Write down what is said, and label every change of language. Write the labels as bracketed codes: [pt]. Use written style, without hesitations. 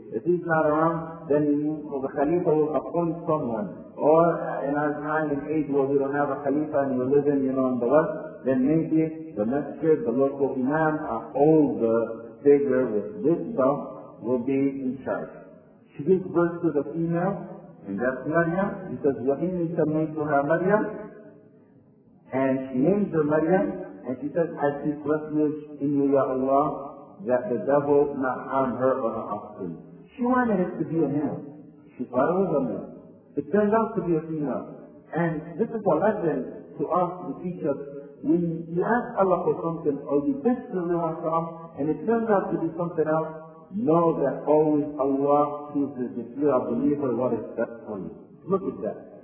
[en] If he's not around, then the Khalifa will appoint someone. Or in our time and age where we don't have a Khalifa and we're living, you know, in the West, then maybe the masjid, the local imam, or older figure with wisdom will be in charge. She gives birth to the female, and that's Maryam. He says, [ar] وَإِنِّي سَمَّيْتُهَا مَرْيَمْ. [en] And she names her Maryam, and she says, I seek refuge in you, Ya Allah, that the devil not harm her or her offspring. She wanted it to be a male. She thought it was a male. It turned out to be a female. And this is a lesson to us, to teach us. When you ask Allah for something, or you wish to know Allah, and it turns out to be something else, know that always Allah chooses, if you are a believer, what is best for you. Look at that.